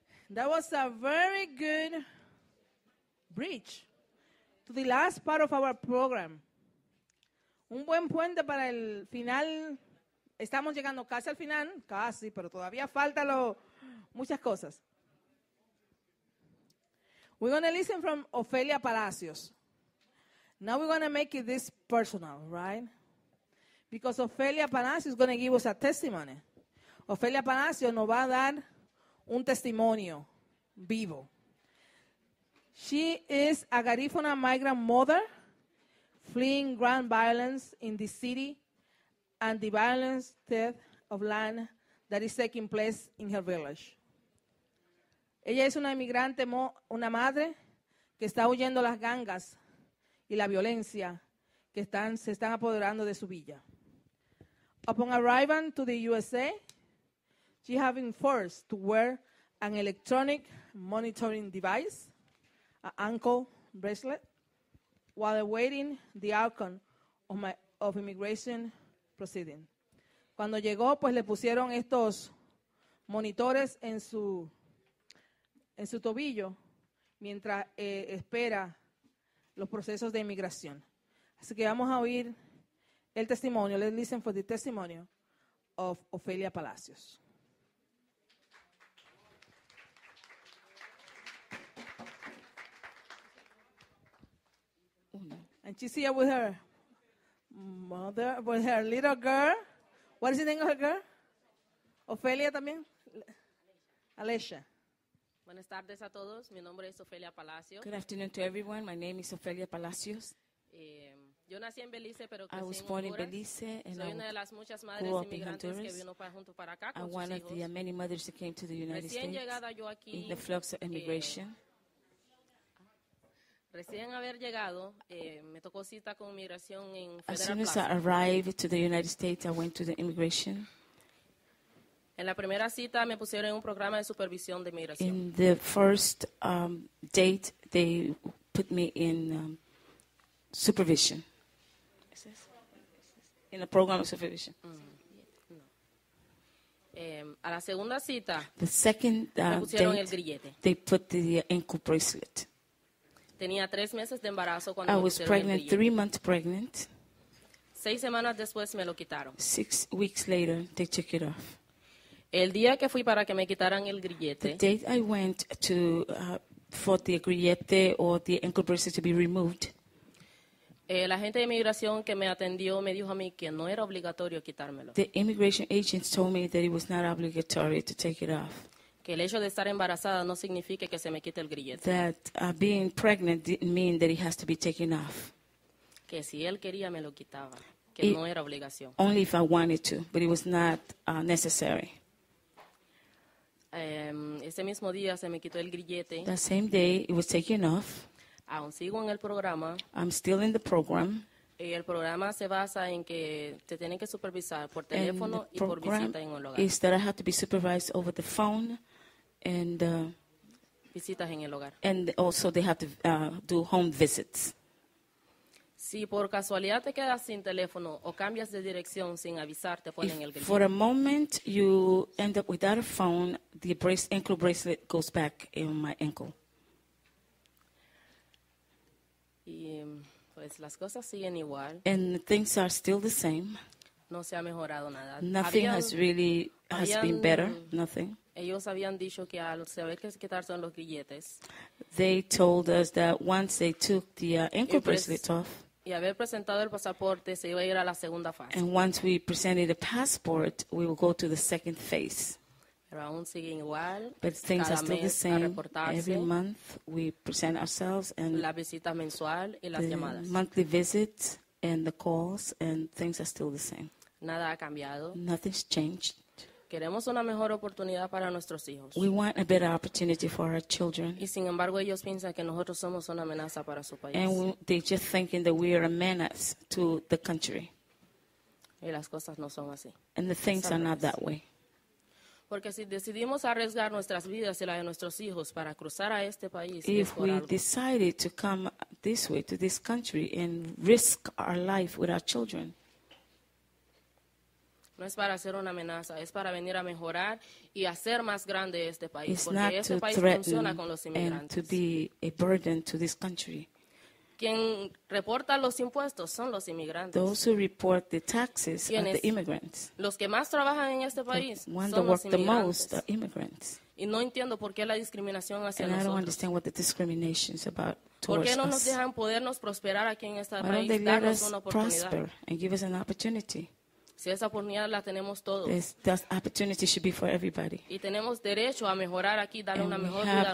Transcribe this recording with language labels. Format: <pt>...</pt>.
<en>That was a very good bridge to the last part of our program.</en> <es>Un buen puente para el final. Estamos llegando casi al final, casi, pero todavía falta lo muchas cosas.</es> <en>We're going to listen from Ofelia Palacios. Now we're going to make it this personal, right? Because Ofelia Palacios is going to give us a testimony.</en> <es>Ofelia Palacios nos va a dar un testimonio vivo.</es> <en>She is a Garifuna migrant mother fleeing gang violence in the city and the violence theft of land that is taking place in her village.</en> <es>Ella es una inmigrante, una madre que está huyendo las gangas y la violencia que están, se están apoderando de su villa.</es> <en>Upon arriving to the USA, she has been forced to wear an electronic monitoring device, an ankle bracelet, while awaiting the outcome of, of immigration proceeding.</en> <es>Cuando llegó, pues le pusieron estos monitores en su tobillo mientras espera los procesos de inmigración. Así que vamos a oír el testimonio.</es> <en>Let's listen for the testimony of Ofelia Palacios. And she's here with her mother, with her little girl. What is the name of her girl? Ofelia también? Alicia.</en> <es>Buenas tardes a todos. Mi nombre es Ofelia Palacios.</es> <en>Good afternoon to everyone. My name is Ofelia Palacios.</en> <es>Yo nací en Belice, pero</es> <en>I was born in Belice, and</en> <es>soy una de las muchas madres inmigrantes que vino para junto para acá con sus hijos.</es> <en>I'm one of the many mothers that came to the United</en> <es>Recién llegada yo aquí,</es> <en>in the flux of immigration.</en> <es>Recién haber llegado, me tocó cita con inmigración en Federal</es> <en>Plaza. As soon as I arrived to the United States, I went to the immigration.</en> <es>En la primera cita me pusieron en un programa de supervisión de inmigración.</es> <en>In the first date, they put me in supervision. In a program of supervision. Mm-hmm.</en> <es>A la segunda cita,</es> <en>the second,</en> <es>me pusieron</es> <en>date,</en> <es>el grillete.</es> <en>They put the ankle bracelet.</en> <es>Tenía tres meses de embarazo cuando</es> <en>I was pregnant, 3 months pregnant.</en> <es>6 semanas después me lo quitaron.</es> <en>6 weeks later, they took it off.</en> <es>El día que fui para que me quitaran el grillete,</es> <en>the date I went to for the grillete or the ankle bracelet to be removed,</en> <es>la gente de inmigración que me atendió me dijo a mí que no era obligatorio quitármelo.</es> <en>The immigration agent told me that it was not obligatory to take it off.</en> <es>Que el hecho de estar embarazada no signifique que se me quite el grillete.</es> <en>That being pregnant didn't mean that it has to be taken off.</en> <es>Que si él quería me lo quitaba, que no era obligación.</es> <en>Only if I wanted to, but it was not necessary.</en> <es>Ese mismo día se me quitó el grillete.</es> <en>That same day it was taken off.</en> <es>Aún sigo en el programa.</es> <en>I'm still in the program.</en> <es>Y el programa se basa en que te tienen que supervisar por teléfono y por visita en el hogar.</es> <en>Is that I have to be supervised over the phone and</en> <es>visitas en el hogar.</es> <en>And also they have to do home visits.</en> <es>Si por casualidad te quedas sin teléfono o cambias de dirección sin avisar, te ponen</es> <en>If</en> <es>el grillete.</es> <en>For a moment you end up without a phone, the ankle bracelet goes back in my ankle.</en> <es>Y pues las cosas siguen igual.</es> <en>And things are still the same.</en> <es>No se ha mejorado nada.</es> <en>Nothing has been better. Nothing.</en> <es>Ellos habían dicho que al saber que quitaron los grilletes.</es> <en>They told us that once they took the ankle bracelet off.</en> <es>Y haber presentado el pasaporte se iba a ir a la segunda fase.</es> <en>And once we presented the passport, we will go to the second phase.</en> <es>Pero aún siguen igual.</es> <en>But things</en> <es>cada</es> <en>are still the same. Every month we present ourselves and</en> <es>la visita mensual y las</es> <en>the</en> <es>llamadas.</es> <en>Monthly visits and the calls and things are still the same.</en> <es>Nada ha cambiado.</es> <en>Nothing's changed.</en> <es>Queremos una mejor oportunidad para nuestros hijos.</es> <en>We want a better opportunity for our children.</en> <es>Y sin embargo, ellos piensan que nosotros somos una amenaza para su país.</es> <en>And they just thinking that we are a menace to the country.</en> <es>Y las cosas no son así.</es> <en>And the things are not that way.</en> <es>Porque si decidimos arriesgar nuestras vidas y las de nuestros hijos para cruzar a este país,</es> <en>if we decided to come this way to this country and risk our life with our children,</en> <es>no es para hacer una amenaza, es para venir a mejorar y hacer más grande este país, porque este país funciona con los inmigrantes.</es> <en>It's not to threaten and to be a burden to this country.</en> <es>Quien reporta los impuestos son los inmigrantes.</es> <en>Those who report the taxes are the immigrants.</en> <es>Los que más trabajan en este país son los inmigrantes.</es> <en>The ones who work the most are immigrants.</en> <es>Y no entiendo por qué la discriminación hacia nosotros.</es> <en>And I don't understand what the discrimination is about towards us.</en> <es>¿Por qué no nos dejan podernos prosperar aquí en este país, darnos una oportunidad?</es> <en>And give us an opportunity.</en> <es>Si esa oportunidad la tenemos todos.</es> <en>This opportunity should be for everybody.</en> <es>Y tenemos derecho a mejorar aquí, dar una mejor vida a</es>